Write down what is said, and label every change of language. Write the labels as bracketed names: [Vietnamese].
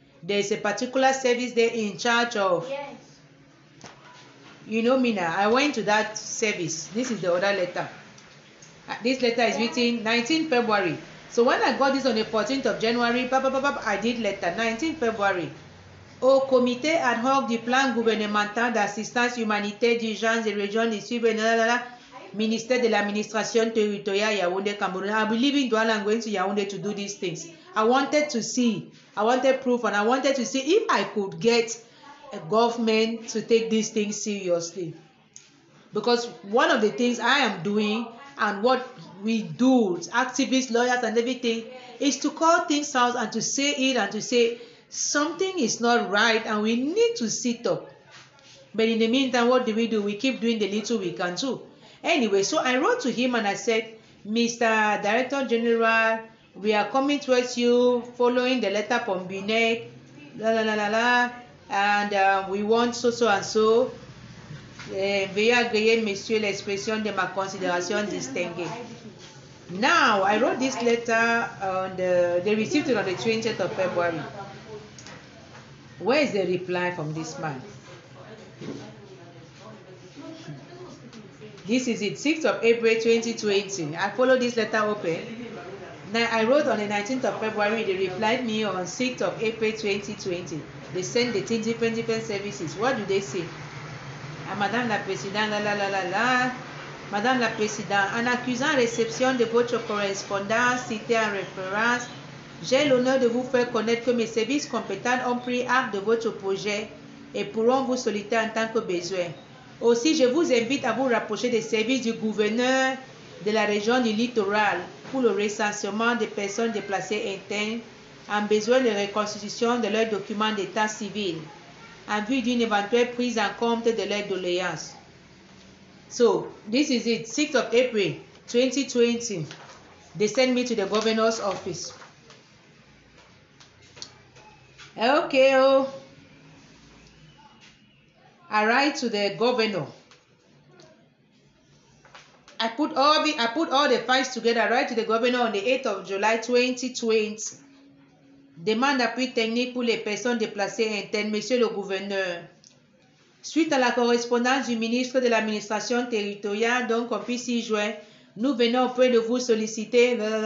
[English] There's a particular service there in charge of. Yes. You know, Mina, I went to that service. This is the other letter. This letter is written 19 February. So when I got this on the 14th of January, blah, blah, blah, blah, I did letter, 19 February. [French] Au comité ad hoc du plan gouvernemental d'assistance humanitaire d'urgence des régions du Sud-Ouest, ministère de l'administration territoriale, Yaoundé, Cameroun. [English] I believe in Douala, I'm going to Yaoundé to do these things. I wanted to see, I wanted proof, and I wanted to see if I could get a government to take these things seriously. Because one of the things I am doing and what we do, activists, lawyers and everything, is to call things out and to say it and to say something is not right and we need to sit up. But in the meantime, what do? We keep doing the little we can do. Anyway, so I wrote to him and I said, Mr. Director General, we are coming towards you following the letter from Binet, la la la la la. And we want so, so, and so. [French] Veuillez agréer, monsieur, l'expression de ma considération distinguée. [English] Now, I wrote this letter on the, they received it on the 20th of February. Where is the reply from this man? This is it, 6th of April 2020. I followed this letter open. Now, I wrote on the 19th of February, they replied me on 6th of April 2020. They send the thing different services. What do they say? [French] Madame la Présidente, la la la la la. Madame la Présidente, en accusant réception de votre correspondance citée en référence, j'ai l'honneur de vous faire connaître que mes services compétents ont pris acte de votre projet et pourront vous solliciter en tant que besoin. Aussi, je vous invite à vous rapprocher des services du gouverneur de la région du littoral pour le recensement des personnes déplacées internes en besoin de reconstitution de leurs documents d'état civil, en vue d'une éventuelle prise en compte de leurs doléances. [English] So, this is it, 6th of April, 2020. They send me to the governor's office. Okay, oh. I write to the governor. I put all the files together, I write to the governor on the 8th of July, 2020. [French] Demande d'appui technique pour les personnes déplacées internes, monsieur le gouverneur. Suite à la correspondance du ministre de l'administration territoriale, donc au 6 juin, nous venons auprès de vous solliciter.